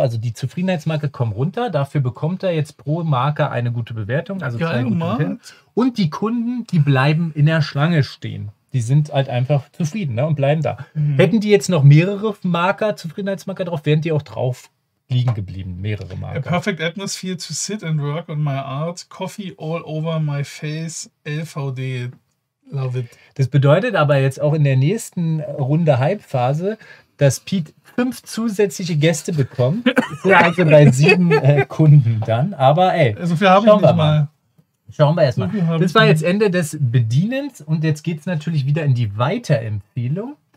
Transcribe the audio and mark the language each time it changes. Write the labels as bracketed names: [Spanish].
[German] Also die Zufriedenheitsmarke kommt runter. Dafür bekommt er jetzt pro Marker eine gute Bewertung. Also geil, gemacht. Und die Kunden, die bleiben in der Schlange stehen. Die sind halt einfach zufrieden, ne, und bleiben da. Hätten die jetzt noch mehrere Marker, Zufriedenheitsmarker drauf, wären die auch drauf liegen geblieben, mehrere Marker. [English] A perfect atmosphere to sit and work on my art. Coffee all over my face. LVD. Love it. [German] Das bedeutet aber jetzt auch in der nächsten Runde Hype-Phase, dass Pete 5 zusätzliche Gäste bekommt. Also bei 7 Kunden dann. Aber ey, so viel haben wir nicht mal. Schauen wir erstmal. Das war jetzt Ende des Bedienens und jetzt geht es natürlich wieder in die Weiterempfehlung.